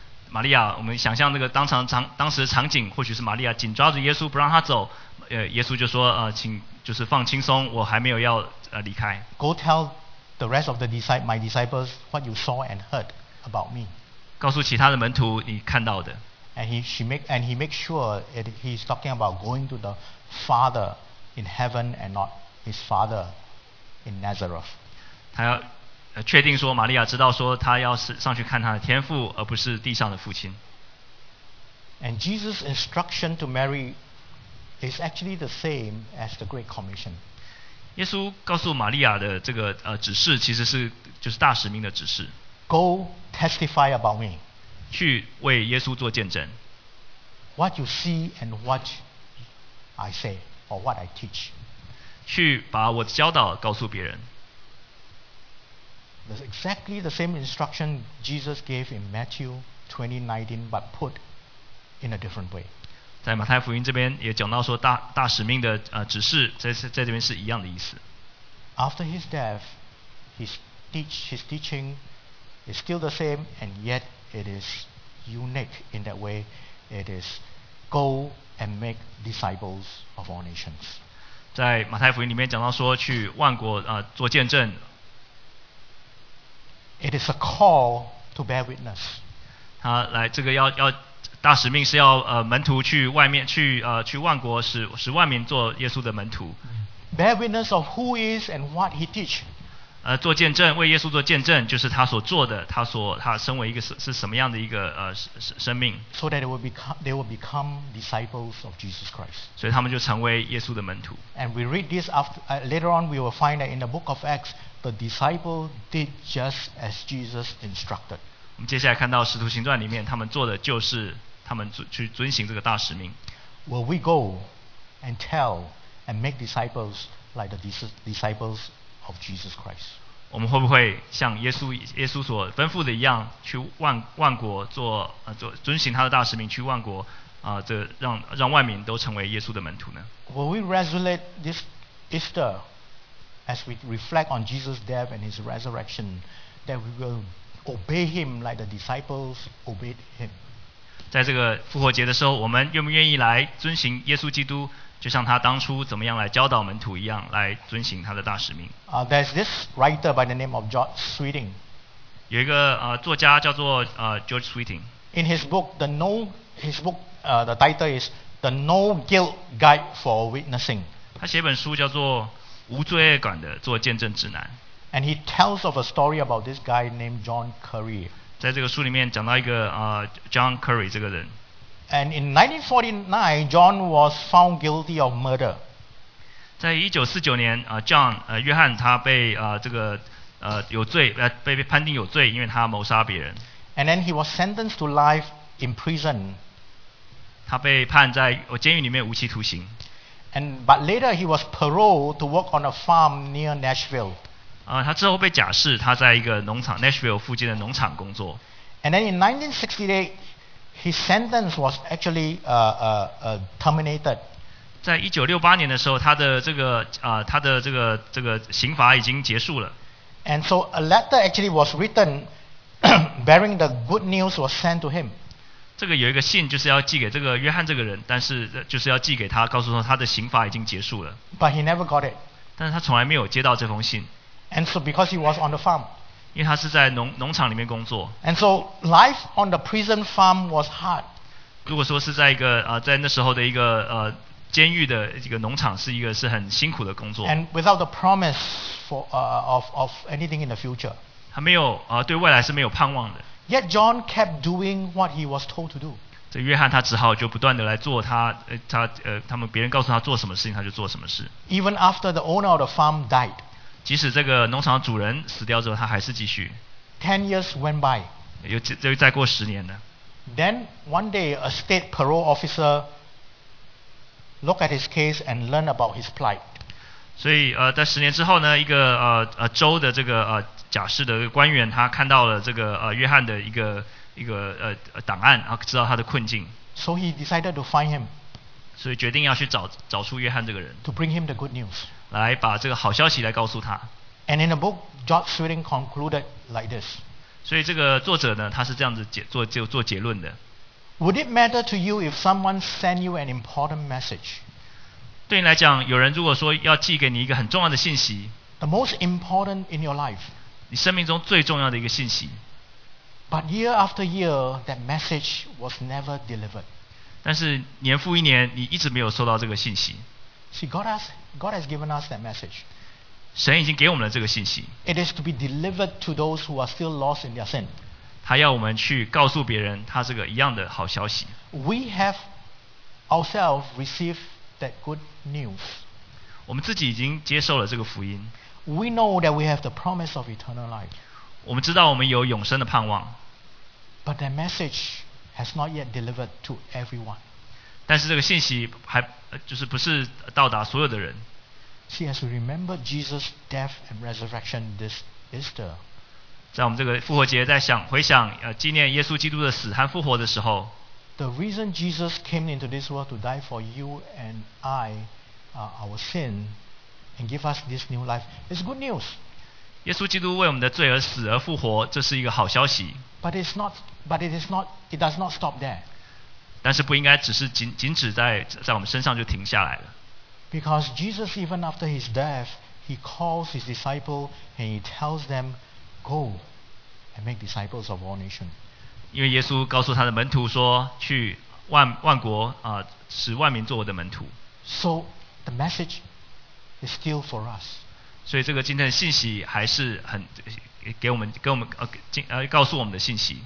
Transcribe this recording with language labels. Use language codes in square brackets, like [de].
[zh] 玛利亚，我们想象那个当时的场景，或许是玛利亚紧抓着耶稣不让他走。耶稣就说请就是放轻松，我还没有要离开。 [en] Go tell the rest of my disciples what you saw and heard about me， [zh] 告诉其他的门徒你看到的。 [en] And he makes sure he's talking about going to the Father in heaven and not his Father in Nazareth。 [zh] 他要确定说玛利亚知道说他要上去看他的天父，而不是地上的父亲。 [en] And Jesus' instruction to Mary is actually the same as the Great Commission. [zh] 耶稣告诉玛利亚的这个指示，其实是就是大使命的指示。 [en] Go testify about me. [zh] 去为耶稣做见证。 [en] What you see and what I say or what I teach. [zh] 去把我的教导告诉别人。 [en] That's exactly the same instruction Jesus gave in Matthew 20:19, but put in a different way. [zh] 在马太福音这边也讲到说 大使命的指示 在这边是一样的意思。 [en] After his death his teaching is still the same and yet it is unique in that way. It is go and make disciples of all nations. [zh] 在马太福音里面讲到说去万国做见证。 [en] It is a call to bear witness. [zh] 他来这个要大使命是要门徒去外面去万国使万民做耶稣的门徒。 [en] Bear witness of who he is and what he teach. [zh] 做见证，为耶稣做见证，就是他所做的，他身为一个是什么样的一个生命。 [en] So that they will become disciples of Jesus Christ. [zh] 所以他们就成为耶稣的门徒。 [en] And we read this later on, we will find that in the book of Acts, the disciple did just as Jesus instructed. [zh] 我们接下来看到《使徒行传》里面，他们做的就是他们去遵行这个大使命。 [en] Will we go and tell and make disciples like the disciples of Jesus Christ？ [zh] 我们会不会像耶稣所吩咐的一样，去万国做遵行他的大使命，去万国让万民都成为耶稣的门徒呢 [en] ？Will we resonate this Easter as we reflect on Jesus' death and His resurrection that we will？ Obey him like the disciples obeyed him. [zh] 在这个复活节的时候，我们愿不愿意来遵行耶稣基督，就像他当初怎么样来教导门徒一样，来遵行他的大使命？ [en] There's this writer by the name of George Sweeting. [zh] 有一个作家叫做George Sweeting. [en] In his book, the title is The No Guilt Guide for Witnessing. [zh] 他写本书叫做《无罪恶感的做见证指南》。 [en] And he tells of a story about this guy named John Curry. [zh] 在这个书里面讲到一个John Curry 这个人。 [en] And in 1949, John was found guilty of murder. [zh] 在1949年约翰他被有罪被判定有罪，因为他谋杀别人。 [en] And then he was sentenced to life in prison. [zh] 他被判在监狱里面无期徒刑。 [en] But later he was paroled to work on a farm near Nashville. [zh] 他之后被假释，他在一个农场 Nashville 附近的农场工作。 [en] And then in 1968, his sentence was actually terminated. [zh] 在1968年的时候，他的这个刑罚已经结束了。 [en] And so a letter actually was written bearing the good news was sent to him. [zh] 这个有一个信就是要寄给这个约翰这个人，但是就是要寄给他，告诉说他的刑罚已经结束了。 [en] But he never got it. [zh] 但是他从来没有接到这封信。 [en] And so, because he was on the farm, [zh] 因为他是在农场里面工作。 [en] And so, life on the prison farm was hard. [zh] 如果说是在一个在那时候的一个监狱的一个农场，是一个是很辛苦的工作。 [en] And without the promise for of anything in the future, [zh] 他没有对未来是没有盼望的。 [en] Yet John kept doing what he was told to do. [zh] 这约翰他只好就不断的来做他他他们别人告诉他做什么事情他就做什么事。 [en] Even after the owner of the farm died. [zh] 即使这个农场主人死掉之后，他还是继续。 [en] 10 years went by. [zh] 又再过十年了。 [en] Then one day, a state parole officer looked at his case and learned about his plight. [zh] 所以在十年之后呢一个州的这个假释的官员他看到了这个约翰的一个档案然后知道他的困境。 [en] So he decided to find him. [zh] 所以决定要去找出约翰这个人。 [en] To bring him the good news. [zh] 来把这个好消息来告诉他。 [en] And in the book, George Sweeting concluded like this. [zh] 所以这个作者呢他是这样子做结论的。 [en] Would it matter to you if someone sent you an important message? [zh] 对你来讲，有人如果说要寄给你一个很重要的信息 [en] ，the most important in your life， [zh] 你生命中最重要的一个信息 [en] ，but year after year that message was never delivered。 [zh] 但是年复一年，你一直没有收到这个信息。 [en] See, God has given us that message。 [zh] 神已经给我们了这个信息。 [en] It is to be delivered to those who are still lost in their sin。 [zh] 他要我们去告诉别人他这个一样的好消息。 [en] We have ourselves received。 That good news. [zh] 我们自己已经接受了这个福音。 [en] We know that we have the promise of eternal life. [zh] 我们知道我们有永生的盼望。 [en] But that message has not yet delivered to everyone. [zh] 但是这个信息还就是不是到达所有的人。 [en] See, as we remember Jesus' death and resurrection this Easter. [zh] 在我们这个复活节在想回想纪念耶稣基督的死和复活的时候。 [en] The reason Jesus came into this world to die for you and I, our sin, and give us this new life is good news. [zh] 耶稣基督为我们的罪而死而复活，这是一个好消息。 [en] But it is not. It does not stop there. [zh] 但是不应该只是仅止在我们身上就停下来了。 [en] Because Jesus, even after his death, he calls his disciples and he tells them, "Go and make disciples of all nations." [zh] 因为耶稣告诉他的门徒说：“去万国使万民做我的门徒。” [en] So the message is still for us. [zh] 所以这个今天的信息还是很给我们告诉我们的信息。